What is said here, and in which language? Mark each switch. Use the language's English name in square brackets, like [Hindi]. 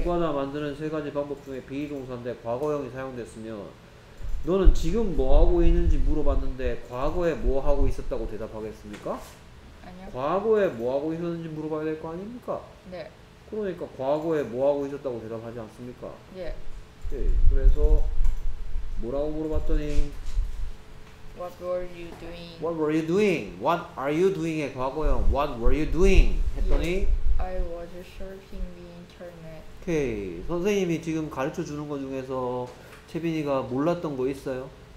[Korean] 누가 나 만드는 세 가지 방법 중에 비동사인데 과거형이 사용됐으면 너는 지금 뭐하고 있는지 물어봤는데 과거에 뭐하고 있었다고 대답하겠습니까? 아니요. 과거에 뭐하고 있었는지 물어봐야 될 거 아닙니까? 네. 그러니까 과거에 뭐하고 있었다고 대답하지 않습니까? 예. 네, 그래서 뭐라고 물어봤더니 [English] What were you doing? What were you doing? What are you doing의 [Korean] 과거형 [English] What were you doing? [Korean] 했더니 [English] I was surfing the internet. [Korean] 오케이. 선생님이 지금 가르쳐주는 것 중에서 채빈이가 몰랐던 거 있어요?